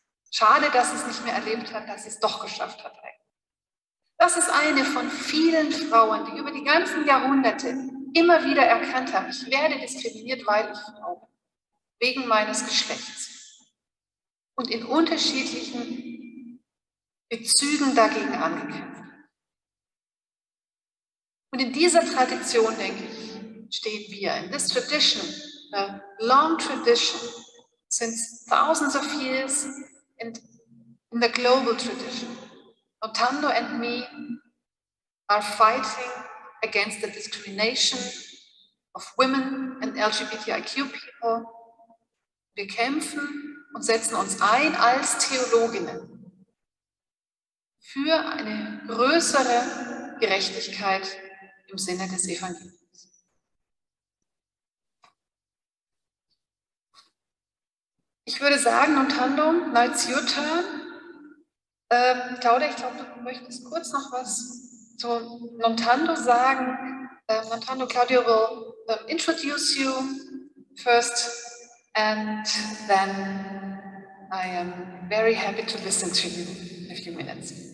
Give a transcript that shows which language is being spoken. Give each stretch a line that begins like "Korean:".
German: Schade, dass sie es nicht mehr erlebt hat, dass sie es doch geschafft hat. Das ist eine von vielen Frauen, die über die ganzen Jahrhunderte immer wieder erkannt haben, ich werde diskriminiert, weil ich Frau bin, wegen meines Geschlechts. Und in unterschiedlichen Bezügen dagegen angekämpft. Und in dieser Tradition, denke ich, stehen wir.
English: In this tradition, a long tradition, since thousands of years, and in the global tradition. Nontando and me are fighting against the discrimination of women and LGBTIQ people.
German: Wir kämpfen und setzen uns ein als Theologinnen für eine größere Gerechtigkeit im Sinne des Evangeliums. Ich würde sagen, Nontando,
English: now it's your turn.
German: Claudia, ich glaube, du möchtest kurz noch was zu Nontando sagen.
English: Nontando, Claudia will introduce you first, and then I am very happy to listen to you in a few minutes.